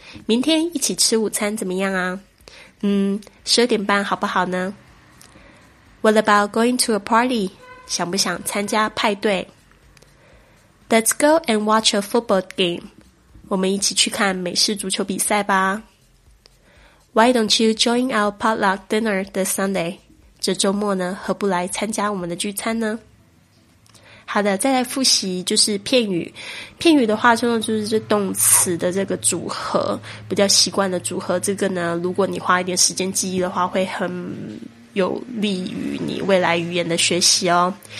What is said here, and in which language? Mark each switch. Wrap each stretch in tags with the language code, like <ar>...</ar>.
<zh>明天一起吃午餐怎么样啊？ 12:30好不好呢？</zh> <en>What about going to a party?</en> <zh>想不想参加派对？</zh> <en>Let's go and watch a football game.</en> <zh>我们一起去看美式足球比赛吧。</zh> <en>Why don't you join our potluck dinner this Sunday?</en> <zh>这周末呢，何不来参加我们的聚餐呢？好的，再来复习就是片语。片语的话就是这动词的这个组合，比较习惯的组合，这个呢如果你花一点时间记忆的话会很有利于你未来语言的学习哦。</zh>